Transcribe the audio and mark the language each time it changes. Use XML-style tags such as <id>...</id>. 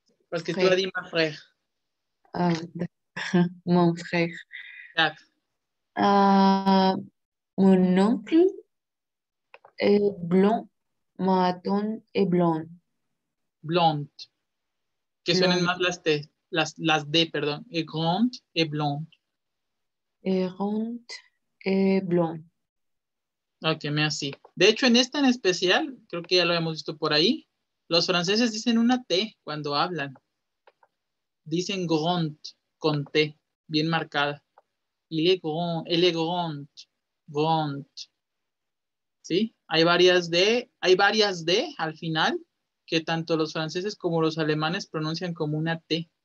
<fr>Parce que frère. Tu as dit ma frère. Mon frère. Quatre. Mon oncle est blond, ma tante est blonde. Blonde.</fr> <es>Que suenen más las T, las D, perdón.</es> <fr>Et grande et blonde. Et grande et blonde.</fr> <es>Ok, me así. De hecho, en esta en especial, creo que ya lo hemos visto por ahí, los franceses dicen una T cuando hablan. Dicen grand con T, bien marcada.</es> <fr>Il est grand, elle est grande, grande.</fr> <es>¿Sí? Hay varias D al final que tanto los franceses como los alemanes pronuncian como una T.</es>